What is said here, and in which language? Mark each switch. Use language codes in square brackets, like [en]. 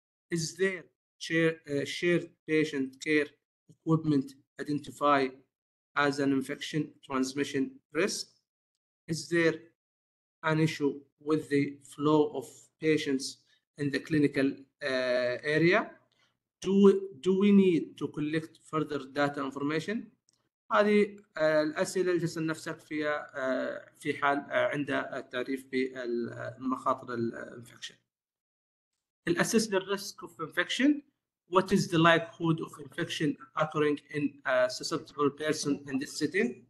[en] Is there shared patient care equipment identified as an infection transmission risk? Is there an issue with the flow of patients in the clinical area? Do we need to collect further data information? [ar] هذه الأسئلة اللي تسأل نفسك فيها في حال عند التعريف بالمخاطر الانفكشن. [en] Assess the risk of infection. What is the likelihood of infection occurring in a susceptible person in this setting?